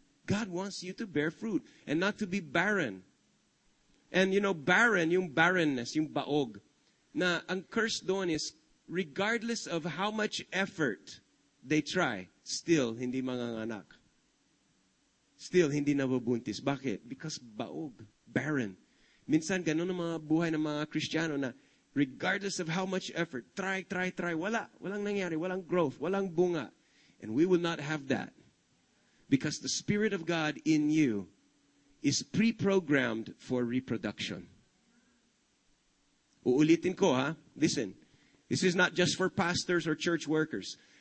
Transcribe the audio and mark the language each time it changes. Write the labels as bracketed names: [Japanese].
[English] God wants you to bear fruit and not to be barren. And you know, barren, yung barrenness, [Filipino] yung baog, [English] na ang curse doon is regardless of how much effort they try, still [Filipino] hindi manganganak. Still hindi nabubuntis. Bakit? Because baog, barren. Minsan ganun ang mga buhay ng mga Kristiyano na [English] regardless of how much effort, try, [Filipino] wala. Walang nangyari, walang growth, walang bunga. [English] And we will not have that. Because the Spirit of God in you is pre-programmed for reproduction. [Filipino] Uulitin ko, ha? [English] Listen, this is not just for pastors or church workers.